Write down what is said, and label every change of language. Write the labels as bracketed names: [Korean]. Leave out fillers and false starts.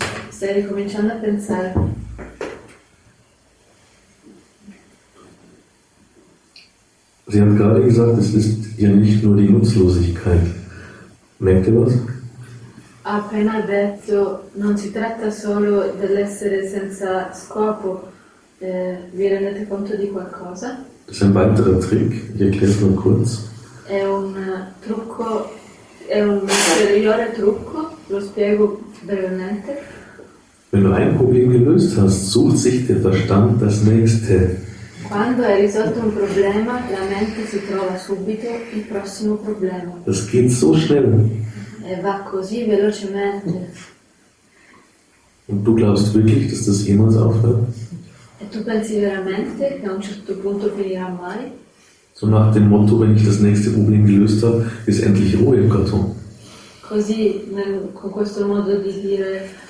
[Italian] Stai ricominciando a pensare. [German] Sie haben gerade gesagt, es ist ja nicht nur die Nutzlosigkeit. Merkt ihr was? [Italian] Ha appena detto, non si tratta solo dell'essere senza scopo. Vi rendete conto di qualcosa? [German] Das ist ein weiterer Trick. Ich erkläre es nur kurz. [Italian] È un trucco, è un ulteriore trucco. Lo spiego brevemente. [German] Wenn du ein Problem gelöst hast, sucht sich der Verstand das nächste. [Italian] Quando hai risolto un problema, la mente si trova subito il prossimo problema. [German] Das geht so schnell. [Italian] E va così velocemente. [German] Und du glaubst wirklich, dass das jemals aufhört? [Italian] E tu pensi veramente che a un certo punto finirà mai? [German] So nach dem Motto, wenn ich das nächste Problem gelöst habe, ist endlich Ruhe im Karton. [Italian] Così, con questo modo di dire...